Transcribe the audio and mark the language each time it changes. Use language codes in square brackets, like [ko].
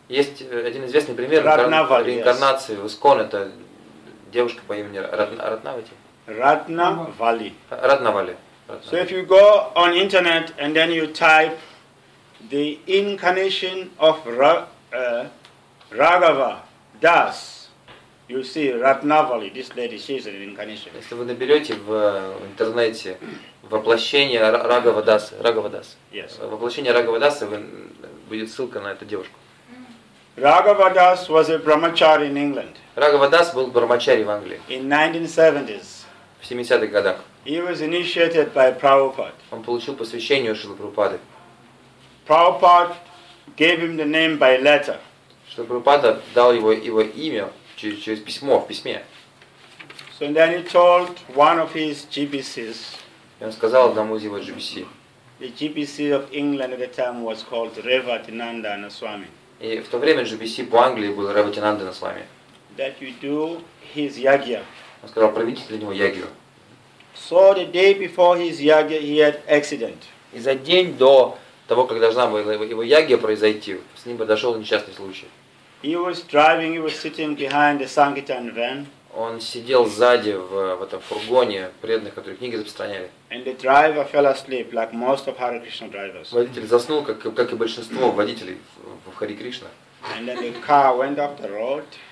[ru] Есть один известный пример реинкарнации в ISKCON. Это девушка по имени Ратнавати. Ратнавали. Ратнавали. [en] So if you go on internet and then you type the incarnation of Raghava Das, you see Ratnavali, this lady, she is an incarnation. [ru] Если вы наберете в интернете воплощение Рагава Дас, воплощение Рагава Даса, будет ссылка на эту девушку. [en] Raghava Das was a brahmachari in England. [ru] Рагава Дас был брахмачари в Англии. [en] In 1970s. [ru] В 70-х годах. [en] He was initiated by Prabhupada. [ru] Он получил посвящение у Шрилы Прабхупады. [en] Prabhupada gave him the name by letter. [ru] Шрила Прабхупада дал его имя через письмо, в письме. [en] So then he told one of his GBCs. [ru] И он сказал одному из его GBC. [en] The GBC of England at the time was called Revatinandana Swami. [ru] И в то время GBC по Англии был Revatinandana Swami. [en] That you do his yagya. [ru] Он сказал, проведите для него ягью. [en] So the day before his yagya, he had accident. [ru] И за день до того, как должна была его ягья произойти, с ним подошел несчастный случай. [en] He was driving, he was sitting behind the Sankirtan van. [ru] Он сидел сзади в этом фургоне преданных, которые книги распространяли. [en] And the driver fell asleep, like most of Hare Krishna drivers. [ru] Водитель заснул, как и большинство водителей в Хари Кришна. [en] And then the car went up the road.